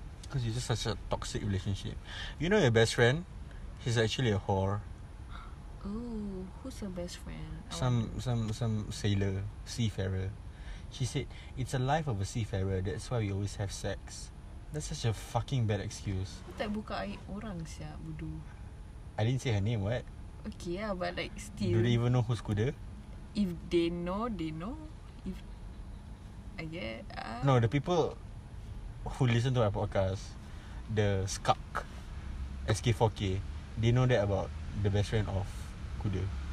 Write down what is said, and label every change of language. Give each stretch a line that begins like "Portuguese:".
English: Cause it's just such a toxic relationship. You know your best friend? She's actually a whore. Ooh, who's your best friend? Some sailor, seafarer. She said, it's a life of a seafarer, that's why we always have sex. That's such a fucking bad excuse.
Malay: Aku tak buka aib orang siap, budu.
English: I didn't say her name, what? Okay, yeah, but like, still. Do they even know who's kuda? If they know, they know. If I get... No, the people who listen to my podcast, the skunk, SK4K, they know that about the best friend of kuda.